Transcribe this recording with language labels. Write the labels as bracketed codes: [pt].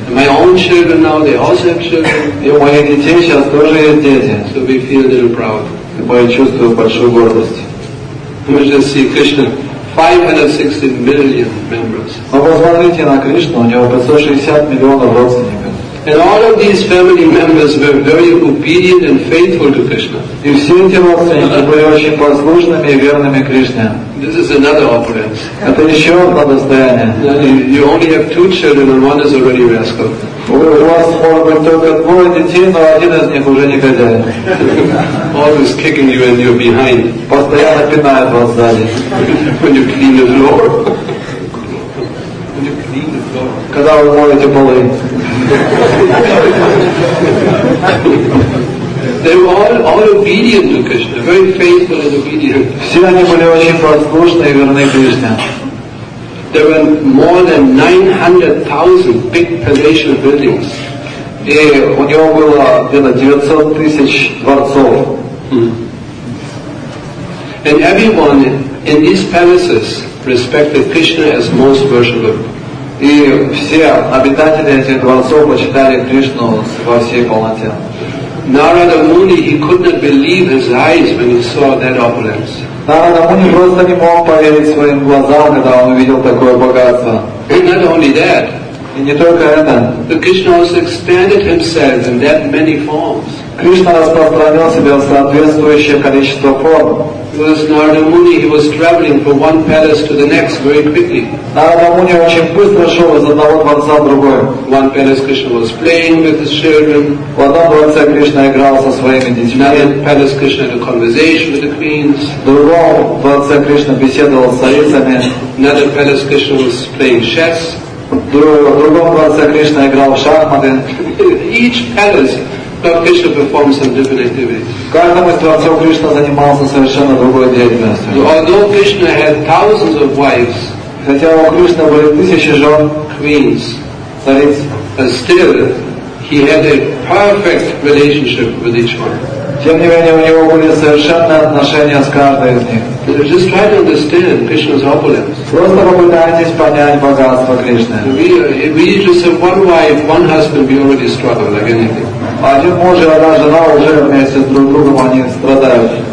[en] And my own children now, they also have children. [ru] И у моих детей сейчас тоже есть дети. [en] So we feel a little proud. [ru] И мы чувствуем большую гордость. [en] We just see Krishna. 560 million members. [ru] Но посмотрите на Кришну, у него 560 миллионов родственников. [en] And all of these family members were very obedient and faithful to Krishna. [ru] И все эти родственники были очень послушными и верными Кришне. [en] This is another opulence. [ru] Это еще одно достояние. [en] You only have two children and one is already a rascal. [ru] У вас может быть только двое детей, но один из них уже негодяй. [en] Always kicking you and you're behind. [ru] Постоянно пинает вас сзади. [en] When you clean the floor. [ru] Когда вы моете полы. [en] They were all obedient to Krishna, very faithful and obedient. [ru] Все они были очень послушны и верны Кришне. [en] There were more than 900,000 big palatial buildings. [ru] И у него было где-то 900 тысяч дворцов. [en] And everyone in these palaces respected Krishna as most worshipable. [ru] И все обитатели этих дворцов почитали Кришну во всей полноте. [en] Narada Muni, he could not believe his eyes when he saw that opulence. [ru] Narada Muni просто не мог поверить своим глазам, когда он увидел такое богатство. [en] And not only that. [ru] И не только это. [en] But Krishna also expanded himself in that many forms. [ru] Кришна распространил себя в соответствующее количество форм. [en] Because Narada Muni, he was traveling from one palace to the next very quickly. [ru] Narada Muni очень быстро шел из одного дворца в другой. [en] One palace Krishna was playing with his children. [ru] В одном дворце Кришна играл со своими детьми. [en] Another palace Krishna had a conversation with the queens. [ru] В другом дворце Кришна беседовал с царицами. [en] Another palace Krishna was playing chess. [ru] В другом дворце Кришна играл в шахматы. [en] Each palace. Lord Krishna performs some different activities. [ru] Каждому Кришна занимался совершенно другой деятельностью. [en] Although Krishna had thousands of wives, [ru] хотя у Кришны были тысячи жен, [en] queens, [ru] цариц, [en] but still he had a perfect relationship with each one. [ru] Тем не менее у него были совершенные отношения с каждой из них. [en] Just try to understand Krishna's opulence. [ru] Просто попытайтесь понять богатство Кришны. [en] We just have one wife, one husband, we already struggle like anything. [ru] Один муж и одна жена уже вместе с друг другом они страдают.